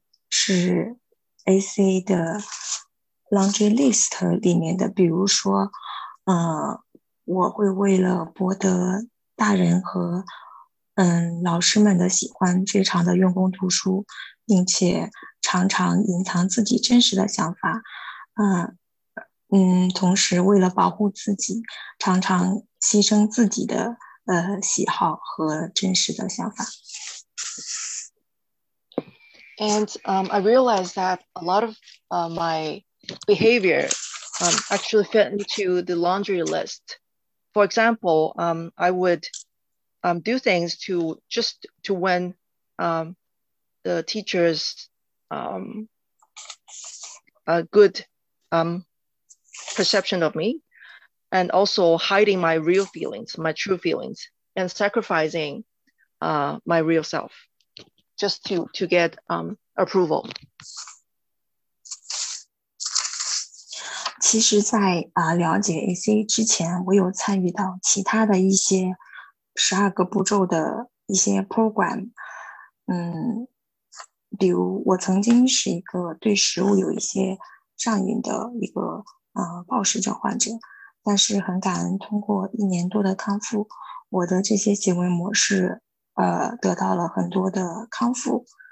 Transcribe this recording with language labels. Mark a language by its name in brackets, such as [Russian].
[Chinese] 是 ACA 的 laundry list 里面的，比如说我会为了博得大人和老师们的喜欢，非常的用功读书，并且常常隐藏自己真实的想法，同时为了保护自己，常常牺牲自己的喜好和真实的想法。 [English] And I realized that a lot of my behavior actually fit into the laundry list. For example, I would do things to win the teacher's good perception of me, and also hiding my real feelings, my true feelings, and sacrificing my real self just to get approval. [Chinese] 其实在了解 ACA 之前，我有参与到其他的一些12个步骤的一些 program， 比如我曾经是一个对食物有一些上瘾的一个暴食症患者，但是很感恩通过一年多的康复，我的这些行为模式得到了很多的康复。